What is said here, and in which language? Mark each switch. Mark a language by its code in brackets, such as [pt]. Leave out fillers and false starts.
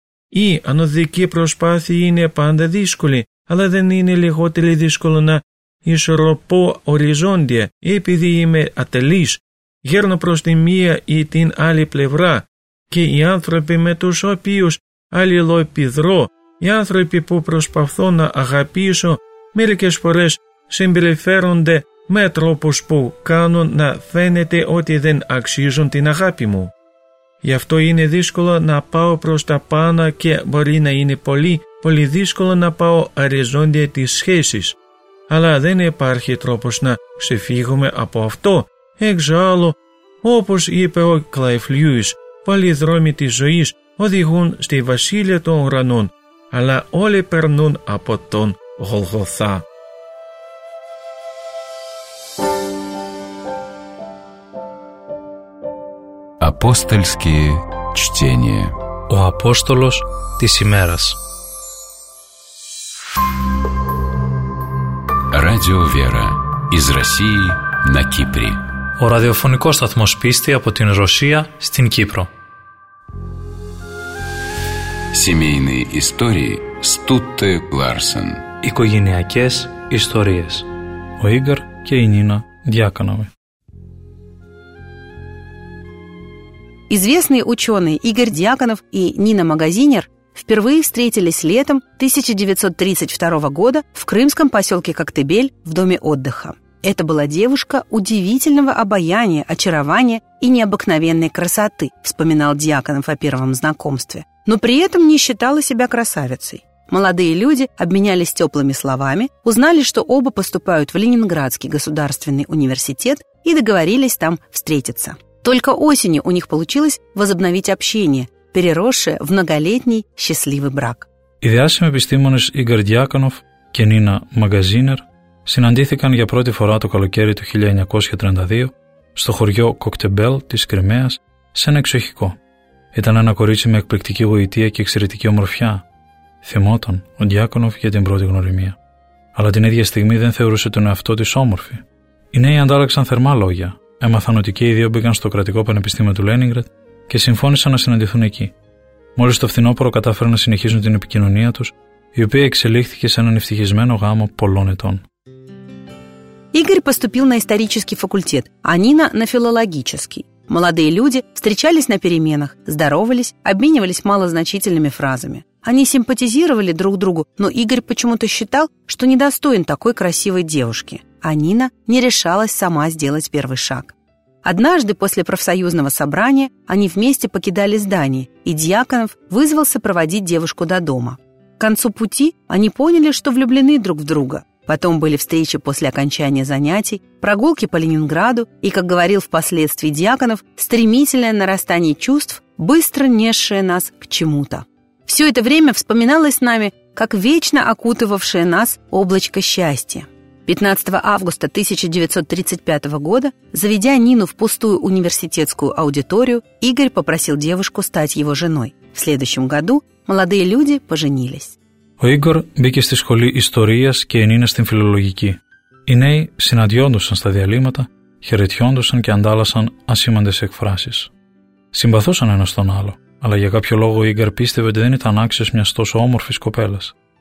[el] И анодзеки прошпатхийне панда дишкули, але дэн ине лиготели дишкулу на ишропо оризонде, эпиди име ателиш, герно прошли мия и тин али плевра, ке и антропи метуш опиюш, αλληλοπιδρώ, οι άνθρωποι που προσπαθώ να αγαπήσω μερικές φορές συμπεριφέρονται με τρόπους που κάνουν να φαίνεται ότι δεν αξίζουν την αγάπη μου. Γι' αυτό είναι δύσκολο να πάω προς τα πάνω και μπορεί να είναι πολύ, πολύ δύσκολο να πάω αριζόντια τις σχέσεις. Αλλά δεν υπάρχει τρόπος να ξεφύγουμε από αυτό. Εξάλλου, όπως είπε ο Κλάιβ Λιούις, πολλοί δρόμοι της ζωής οδηγούν στη Βασίλεια των Ουρανών, αλλά όλοι περνούν από τον Γολγοθά. [ru] Апостольские чтения. [el] Ο Απόστολος της ημέρας. [ru] Радио Вера. Из России на Кипре. [el] Ο ραδιοφωνικός σταθμός πίστη από την Ρωσία στην Κύπρο. [ru] Семейные истории Стутте Ларсен. [el] Οικογενειακές ιστορίες. Ο Ίγκαρ και η Νίνα Διάκονοβοι. [ru] Известные ученые Игорь Дьяконов и Нина Магазинер впервые встретились летом 1932 года в крымском поселке Коктебель в доме отдыха. Это была девушка удивительного обаяния, очарования и необыкновенной красоты, вспоминал Дьяконов о первом знакомстве, но при этом не считала себя красавицей. Молодые люди обменялись теплыми словами, узнали, что оба поступают в Ленинградский государственный университет и договорились там встретиться. Только осенью у них получилось возобновить общение, переросшее в многолетний счастливый брак. [el] Ιδιάσημοι επιστήμονες Игорь Дьяконов και Νίνα Μαγκαζίνερ συναντήθηκαν για πρώτη φορά το καλοκαίρι του 1932 στο χωριό Κοκτεμπέλ της Κρυμαίας σε ένα εξοχικό. Ήταν ένα κορίτσι με εκπληκτική γοητεία και εξαιρετική ομορφιά. Θυμόταν ο Διάκονοφ για την πρώτη γνωριμία. Αλλά την ίδια στιγμή δεν θεωρούσε τον εαυτό της όμορφη. Οι νέοι αντάλλαξαν θερμά λόγια. Έμαθαν ότι και οι δύο μπήκαν στο κρατικό πανεπιστήμιο του Λένιγκραντ και συμφώνησαν να συναντηθούν εκεί. Μόλις το φθινόπωρο κατάφεραν να συνεχίσουν την επικοινωνία τους, η οποία εξελίχθηκε σε έναν ευτυχισμένο γάμο πολλών ετών. [ru] Игорь поступил на исторический факультет, а Нина на филологический. Молодые люди встречались на переменах, здоровались, обменивались малозначительными фразами. Они симпатизировали друг другу, но Игорь почему-то считал, что недостоин такой красивой девушки. А Нина не решалась сама сделать первый шаг. Однажды после профсоюзного собрания они вместе покидали здание, и Дьяконов вызвался проводить девушку до дома. К концу пути они поняли, что влюблены друг в друга. Потом были встречи после окончания занятий, прогулки по Ленинграду и, как говорил впоследствии Дьяконов, стремительное нарастание чувств, быстро несшее нас к чему-то. Все это время вспоминалось нами, как вечно окутывавшее нас облачко счастья. 15 августа 1935 года, заведя Нину в пустую университетскую аудиторию, Игорь попросил девушку стать его женой. В следующем году молодые люди поженились. [el] Ο Ίγκορ μπήκε στη σχολή ιστορίας και η Νίνα στην φιλολογική. Οι νέοι συναντιόντουσαν στα διαλύματα, χαιρετιόντουσαν και αντάλλασαν ασήμαντες εκφράσεις. Συμπαθούσαν ένας τον άλλο, αλλά για κάποιο λόγο ο Ίγκορ πίστευε ότι δεν ήταν άξιος μιας τόσο όμορφης κοπέλας.